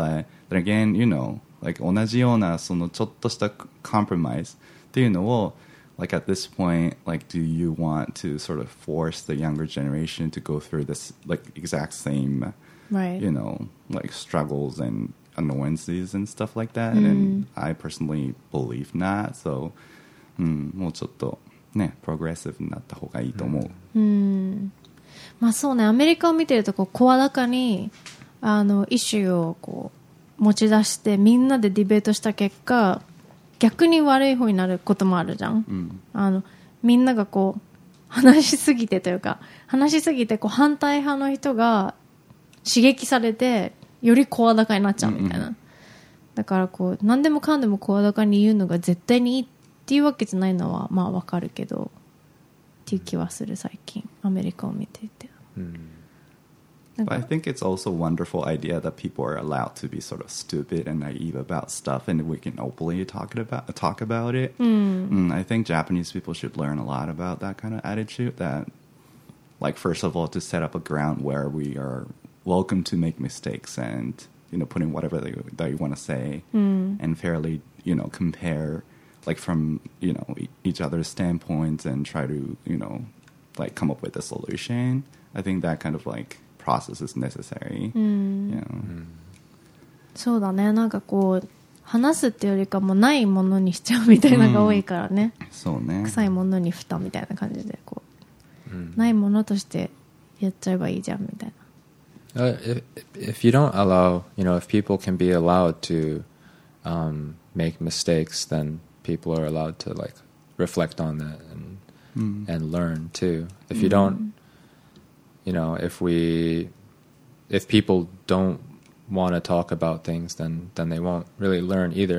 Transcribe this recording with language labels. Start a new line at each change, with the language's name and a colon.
English: But then again, you know, like
Japanese: 同じようなそのちょっとした
English: compromise
Japanese: っていうのを
English: like at this point, like do you want to sort of force the younger generation to go through this like exact same, you know, like struggles and annoyances and stuff like that? And I personally believe not.
Japanese: So, もうちょっとね、プログレッシブになった方がいいと思う。まあそうね、アメリカを見てるとこう声高にあのイシューをこう持ち出してみんなでディベートした結果、逆に悪い方になることもあるじゃん。あのみんながこう話しすぎてというか、話しすぎてこう反対派の人が刺激されてより声高になっちゃうみたいな。だからこう何でもかんでも声高に言うのが絶対にいいっていうわけじゃないのはまあわかるけどっていう気はする、最近アメリカを見ていて。
English: But I think it's also a wonderful idea that people are allowed to be sort of stupid and naive about stuff and we can openly talk about it. I think Japanese people should learn a lot about that kind of attitude that, like, first of all, to set up a ground where we are welcome to make mistakes and, you know, putting whatever that you want to say and fairly, you know, compare, like, from, you know, each other's standpoints and try to, you know, like, come up with a solution. I think that kind of, like,process is necessary.
Japanese: そうだね、なんかこう話すっていうよりかもうないものにしちゃうみたいなのが多いからね。そうね、臭いものに蓋みたいな感じでこう、ないものとしてやっちゃえばいいじゃんみたいな。
English: If you don't allow, you know, if people can be allowed to make mistakes, then people are allowed to like reflect on that and learn too. If you don'tYou know, if people don't want to talk about things, then they won't really learn either.